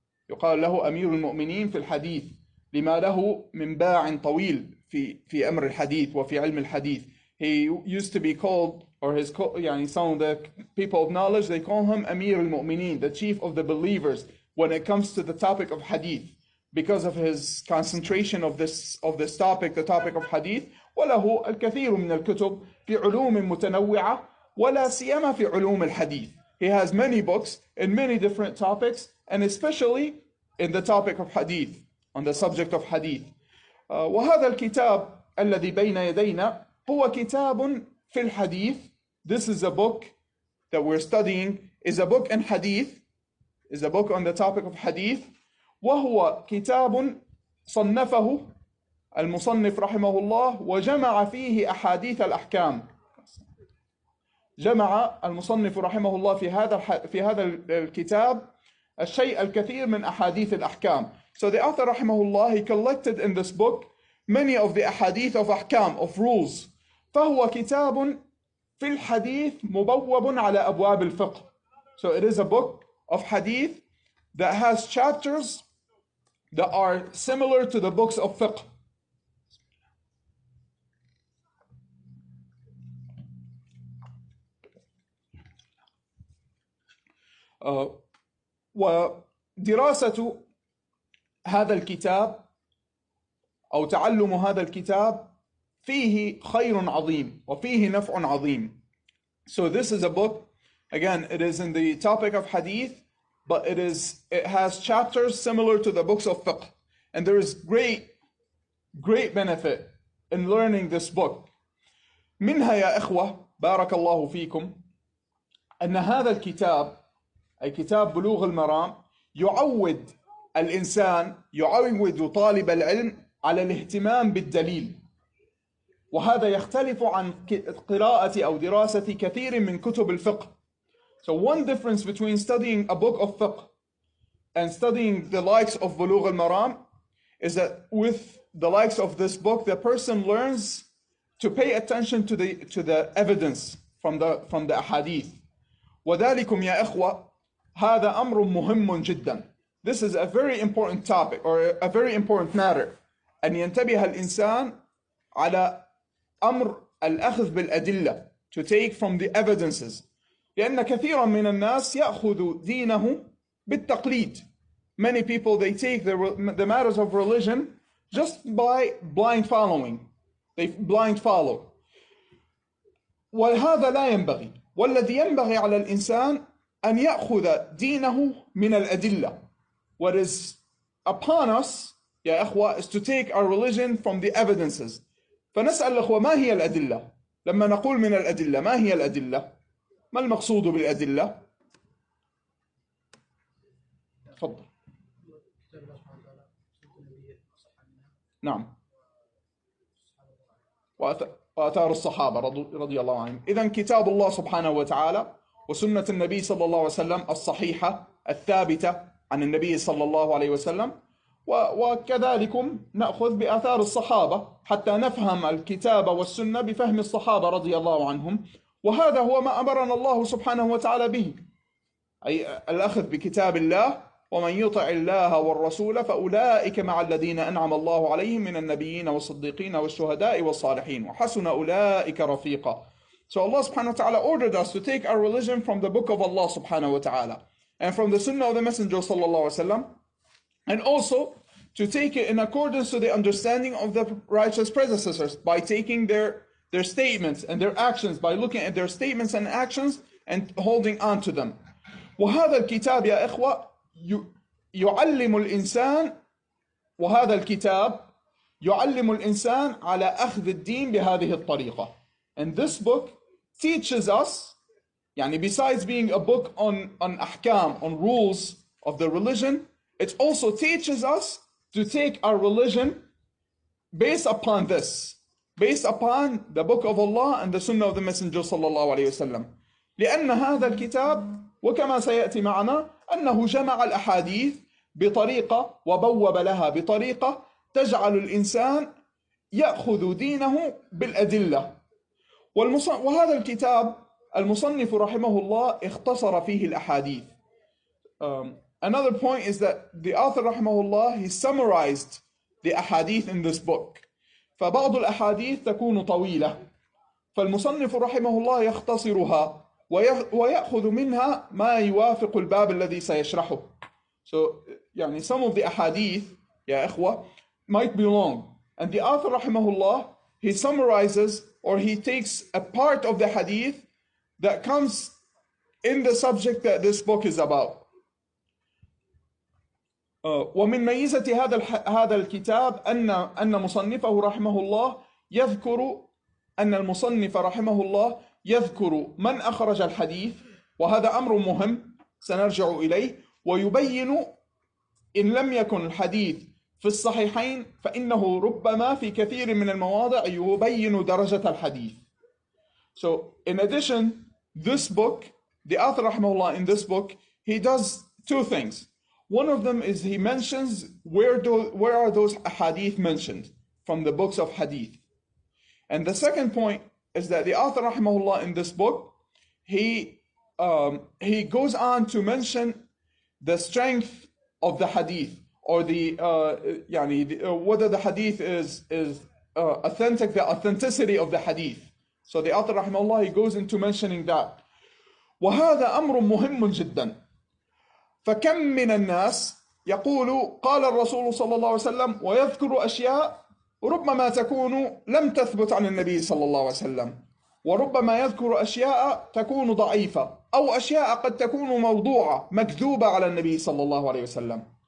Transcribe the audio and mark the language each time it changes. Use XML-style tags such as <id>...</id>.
<ar>يقال له أمير المؤمنين في الحديث لما له من باع طويل في أمر الحديث وفي علم الحديث.</ar> <en>He used to be called, or his,</en> <ar>يعني</ar> <en>some of the people of knowledge, they call him Amir al-Mu'mineen, the chief of the believers, when it comes to the topic of hadith, because of his concentration of this topic, the topic of hadith.</en> <ar>وله الكثير من الكتب في علوم متنوعة ولا سيما في علوم الحديث.</ar> <en>He has many books in many different topics, and especially in the topic of hadith, on the subject of hadith.</en> <ar>وهذا الكتاب الذي بين يدينا هو كتاب في الحديث.</ar> <en>This is a book that we're studying. Is a book in hadith. Is a book on the topic of hadith.</en> <ar>وهو كتاب صنفه المصنف رحمه الله وجمع فيه أحاديث الأحكام. جمع المصنف رحمه الله في هذا الكتاب الشيء الكثير من أحاديث الأحكام.</ar> <en>So the author</en> <ar>رحمه الله,</ar> <en>he collected in this book many of the أحاديث of أحكام, of rules.</en> <ar>فهو كتاب في الحديث مبوب على أبواب الفقه.</ar> <en>So it is a book of hadith that has chapters that are similar to the books of fiqh.</en> <ar>ودراسة هذا الكتاب أو تعلم هذا الكتاب فيه خير عظيم وفيه نفع عظيم.</ar> <en>So this is a book, again, it is in the topic of hadith, but it has chapters similar to the books of fiqh. And there is great, great benefit in learning this book.</en> <ar>منها يا إخوة بارك الله فيكم أن هذا الكتاب أي كتاب بلوغ المرام يعود الإنسان, يعود طالب العلم على الاهتمام بالدليل. وهذا يختلف عن قراءة أو دراسة كثير من كتب الفقه.</ar> <en>So one difference between studying a book of fiqh and studying the likes of بلوغ المرام is that with the likes of this book, the person learns to pay attention to the evidence from the ahadith.</en> <ar>وذلكم يا إخوة هذا أمر مهم جدا.</ar> <en>This is a very important topic or a very important matter.</en> <ar>أن ينتبه الإنسان على أمر الأخذ بالأدلة,</ar> <en>to take from the evidences.</en> <ar>لأن كثيرا من الناس يأخذ دينه بالتقليد.</ar> <en>Many people, they take the matters of religion just by blind following. They blind follow.</en> <ar>وهذا لا ينبغي. والذي ينبغي على الإنسان أن يأخذ دينه من الأدلة.</ar> <en>What is upon us,</en> <ar>يا إخوة,</ar> <en>is to take our religion from the evidences.</en> <ar>فنسأل الأخوة ما هي الأدلة؟ لما نقول من الأدلة ما هي الأدلة؟ ما المقصود بالأدلة؟ تفضل. نعم. وآثار الصحابة رضي الله عنهم. إذن كتاب الله سبحانه وتعالى وسنة النبي صلى الله عليه وسلم الصحيحة الثابتة عن النبي صلى الله عليه وسلم. وكذلك نأخذ بآثار الصحابة حتى نفهم الكتاب والسنة بفهم الصحابة رضي الله عنهم. وهذا هو ما أمرنا الله سبحانه وتعالى به, أي الأخذ بكتاب الله. ومن يطع الله والرسول فأولئك مع الذين أنعم الله عليهم من النبيين والصديقين والشهداء والصالحين وحسن أولئك رفيقا.</ar> <en>So Allah subhanahu wa ta'ala ordered us to take our religion from the book of Allah subhanahu wa ta'ala and from the sunnah of the messenger sallallahu alayhi wa sallam, and also to take it in accordance to the understanding of the righteous predecessors by taking their statements and their actions, by looking at their statements and actions and holding on to them.</en> <ar>وهذا الكتاب يا إخوة يعلم الإنسان, وهذا الكتاب يعلم الإنسان على أخذ الدين بهذه الطريقة.</ar> <en>And this book teaches us,</en> <ar>يعني</ar> <en>besides being a book on أحكام, on rules of the religion, it also teaches us to take our religion based upon this, based upon the book of Allah and the sunnah of the messenger</en> <ar>صلى الله عليه وسلم. لأن هذا الكتاب وكما سيأتي معنا أنه جمع الأحاديث بطريقة وبوب لها بطريقة تجعل الإنسان يأخذ دينه بالأدلة. وهذا الكتاب المصنف رحمه الله اختصر فيه الأحاديث.</ar> <en>Another point is that the author</en> <ar>رحمه الله,</ar> <en>he summarized the أحاديث in this book.</en> <ar>فبعض الأحاديث تكون طويلة, فالمصنف رحمه الله يختصرها ويأخذ منها ما يوافق الباب الذي سيشرحه.</ar> <en>So,</en> <ar>يعني</ar> <en>some of the ahadith,</en> <ar>يا إخوة,</ar> <en>might be long. And the author,</en> <ar>رحمه الله,</ar> <en>he summarizes or he takes a part of the hadith that comes in the subject that this book is about.</en> <ar>ومن ميزة هذا الكتاب أن مصنفه رحمه الله يذكر أن المصنف رحمه الله يذكر من أخرج الحديث وهذا أمر مهم سنرجع إليه ويبين إن لم يكن الحديث في الصحيحين فإنه ربما في كثير من المواضع يبين درجة الحديث.</ar> <en>So in addition, this book, the author</en> <ar>رحمه الله</ar> <en>in this book, he does two things. One of them is he mentions where are those hadith mentioned from the books of hadith. And the second point is that the author rahimahullah in this book, he goes on to mention the strength of the hadith or the whether the hadith is authentic, the authenticity of the hadith. So the author rahimahullah, he goes into mentioning that.</en> <ar>وَهَذَا أَمْرٌ مُهِمٌ جِدًّا فكم من الناس يقول قال الرسول صلى الله عليه وسلم ويذكر أشياء ربما تكون لم تثبت عن النبي صلى الله عليه وسلم وربما يذكر أشياء تكون ضعيفة أو أشياء قد تكون موضوعة مكذوبة على النبي صلى الله عليه وسلم</ar>